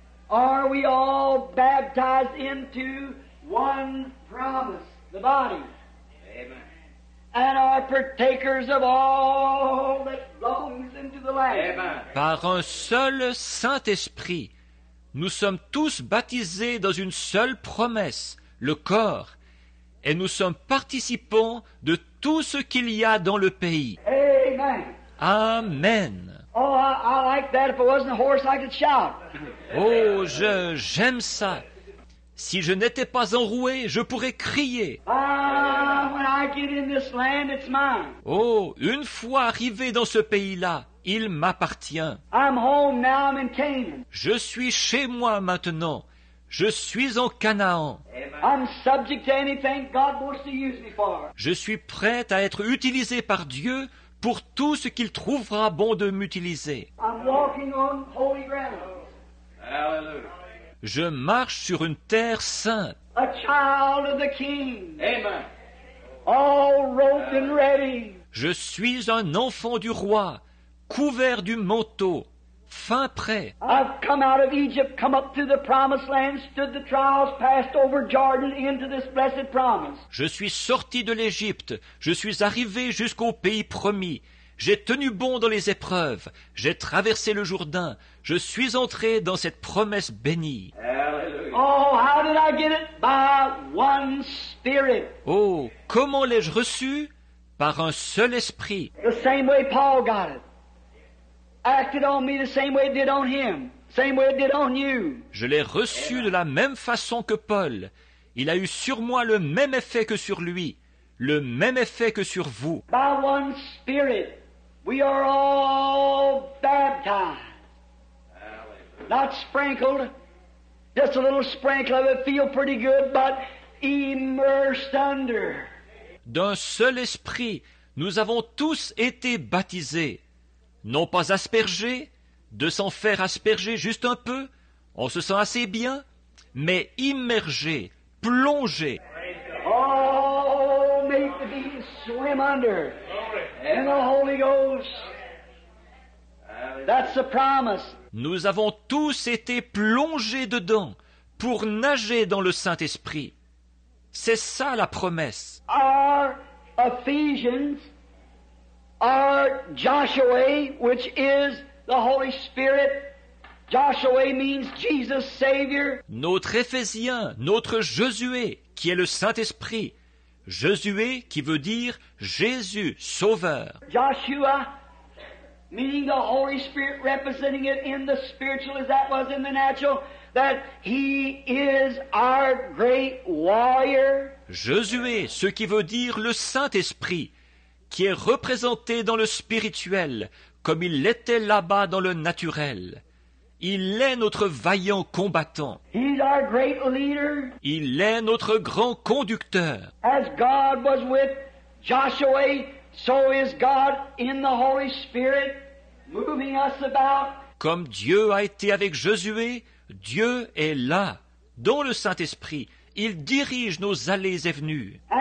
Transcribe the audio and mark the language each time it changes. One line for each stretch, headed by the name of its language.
English: Are we all baptized into one promise, the body? Amen. And are partakers of all that belongs into the land? Amen.
French: Par un seul Saint-Esprit, nous sommes tous baptisés dans une seule promesse, le corps, et nous sommes participants de tout ce qu'il y a dans le pays.
English: Amen. Amen. Oh, I like that. If it wasn't a horse, I could shout.
French: Oh, j'aime ça. Si je n'étais pas enroué, je pourrais crier.
English: Ah, when I get in this land, it's mine.
French: Oh, une fois arrivé dans ce pays-là, il m'appartient.
English: I'm home now, I'm in Canaan.
French: Je suis chez moi maintenant. Je suis en Canaan.
English: I'm subject to anything God wants to use me for.
French: Je suis prêt à être utilisé par Dieu pour tout ce qu'il trouvera bon de m'utiliser.
English: I'm walking on holy ground. Hallelujah.
French: Je marche sur une terre sainte.
English: A child of the King. Amen. All robed and ready.
French: Je suis un enfant du roi, couvert du manteau, fin prêt.
English: I've come out of Egypt, come up to the promised land, stood the trials, passed over Jordan into this blessed promise.
French: Je suis sorti de l'Égypte, je suis arrivé jusqu'au pays promis. J'ai tenu bon dans les épreuves. J'ai traversé le Jourdain. Je suis entré dans cette promesse bénie.
English: Oh, how did I get it? By one spirit.
French: Oh, comment l'ai-je reçu? Par un seul esprit.
English: The same way Paul got it. Acted on me the same way it did on him. Same way it did on you.
French: Je l'ai reçu de la même façon que Paul. Il a eu sur moi le même effet que sur lui. Le même effet que sur vous.
English: By one spirit, we are all baptized. Not sprinkled. Just a little sprinkle of it feel pretty good, but immersed under.
French: D'un seul esprit, nous avons tous été baptisés. Non pas aspergés, de s'en faire asperger juste un peu, on se sent assez bien, mais immergés, plongés.
English: Oh, make the beast swim under in the Holy Ghost. That's the promise.
French: Nous avons tous été plongés dedans pour nager dans le Saint-Esprit. C'est ça la promesse.
English: Our Ephesians, our Joshua, which is the Holy Spirit. Joshua means Jesus Savior.
French: Notre Éphésien, notre Josué, qui est le Saint-Esprit. Josué qui veut dire Jésus Sauveur.
English: Joshua, meaning the Holy Spirit, representing it in the spiritual as that was in the natural. That he is our great warrior.
French: Josué, ce qui veut dire le Saint-Esprit, qui est représenté dans le spirituel, comme il l'était là-bas dans le naturel. Il est notre vaillant combattant.
English: He's our great leader.
French: Il est notre grand conducteur.
English: As God was with Joshua, so is God in the Holy Spirit, moving us about.
French: Comme Dieu a été avec Josué, Dieu est là, dans le Saint-Esprit. Il dirige nos allées et venues.